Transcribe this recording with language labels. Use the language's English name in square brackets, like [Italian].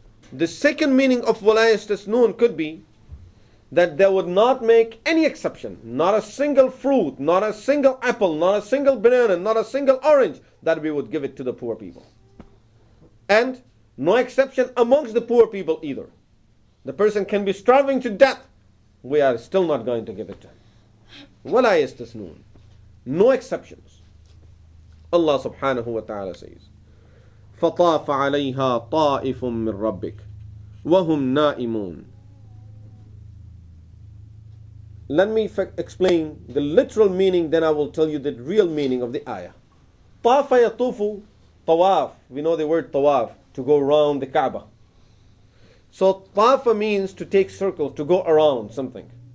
[English] The second meaning of [Arabic] وَلَا يَسْتَثْنُونَ [English] could be that they would not make any exception, not a single fruit, not a single apple, not a single banana, not a single orange, that we would give it to the poor people. And no exception amongst the poor people either. The person can be starving to death, we are still not going to give it to him. [Arabic] وَلَا يَسْتَثْنُونَ. [English] No exceptions. Allah subhanahu wa ta'ala says, [Arabic] فَطَافَ عَلَيْهَا طَائِفٌ مِّن رَبِّكَ وَهُمْ نَائِمُونَ. [English] Let me explain the literal meaning, then I will tell you the real meaning of the ayah. [Arabic] طَافَ يَطُوفُ. Tawaf. [English] We know the word tawaf, to go around the Kaaba. So tawaf means to take circles, to go around something.